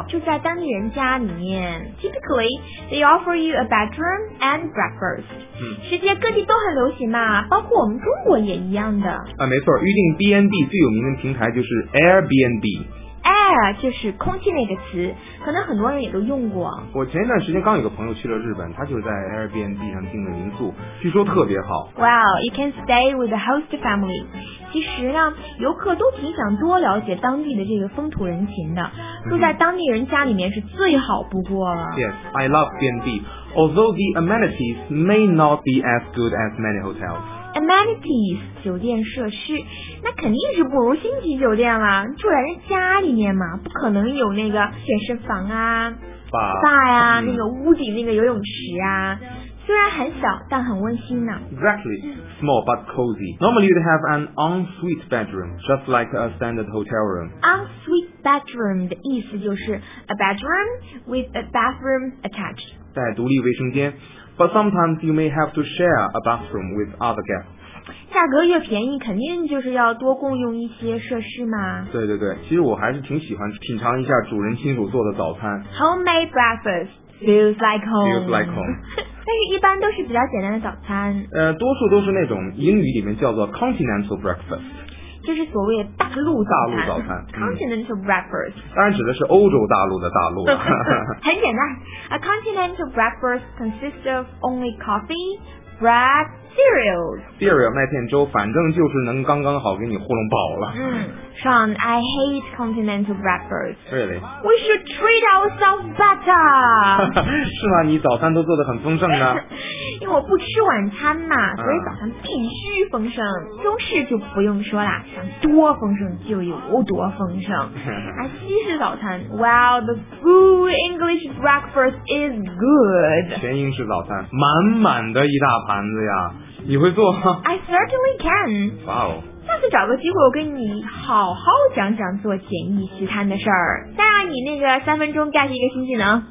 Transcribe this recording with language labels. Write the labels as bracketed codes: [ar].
[zh] 啊。住在当地人家里面。 [en] Typically, they offer you a bedroom and breakfast.、 [zh] 世界各地都很流行嘛，包括我们中国也一样的。啊，没错，预订 B&B 最有名的平台就是 Airbnb。 Air 就是空气那个词，可能很多人也都用过。我前一段时间刚有个朋友去了日本，他就是在 Airbnb 上订的民宿，据说特别好。 [en] Well, you can stay with the host family. [zh] 其实呢，游客都挺想多了解当地的这个风土人情的，住在当地人家里面是最好不过了。 [en] Yes, I love B&B, although the amenities may not be as good as many hotels. [zh] Amenities, 酒店设施，那肯定是不如星级酒店了，住在人家里面嘛，不可能有那个健身房啊、 [en] SPA [zh] 呀、那个屋顶那个游泳池啊。虽然很小，但很温馨呢。 [en] Exactly, small but cozy. Normally you'd have an ensuite bedroom, just like a standard hotel room. Ensuite bedroom [zh] 的意思就是 [en] a bedroom with a bathroom attached. [zh] 在独立卫生间。 [en] But sometimes you may have to share a bathroom with other guests. [zh] 价格越便宜，肯定就是要多共用一些设施嘛。对对对，其实我还是挺喜欢品尝一下主人亲手做的早餐。 [en] Homemade breakfast feels like home. Feels like home. [zh] 但是一般都是比较简单的早餐。多数都是那种英语里面叫做 continental breakfast。就是所谓大陆早餐。大陆 [en] 早餐。Continental breakfast. [zh] 当然指的是欧洲大陆的大陆。很简单。 [en] A continental breakfast consists of only coffee, bread, cereals. [zh] Cereal, 麦片粥，反正就是能刚刚好给你糊弄饱了。 [en] 嗯。Sean, I hate continental breakfast. Really? We should treat ourselves better. [zh] 是吗？你早餐都做得很丰盛呢。因为我不吃晚餐嘛，所以早上必须丰盛。中式就不用说啦，想多丰盛就有多丰盛。而西式早餐 [en] ，Well, the full English breakfast is good. [zh] 全英式早餐，满满的一大盘子呀，你会做吗 [en] ？I certainly can. Wow. [zh] 下次找个机会，我跟你好好讲讲做简易西餐的事儿。带上你那个三分钟干一个新技能。